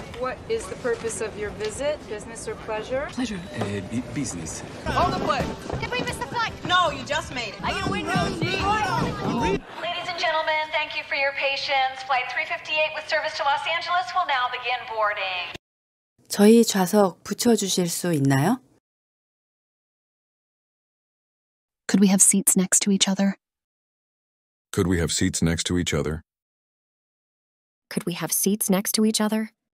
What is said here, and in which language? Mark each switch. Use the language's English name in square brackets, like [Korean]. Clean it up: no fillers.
[English] What is the purpose of your visit, business or pleasure? Pleasure. Business. Hold the foot. Did we miss the flight? No, you just made it. Are you a window seat? Ladies and gentlemen, thank you for your patience. Flight 358 with service to Los Angeles will now begin boarding. [Korean] 저희 좌석 붙여주실 수 있나요? [English] Could we have seats next to each other? Could we have seats next to each other? Could we have seats next to each other?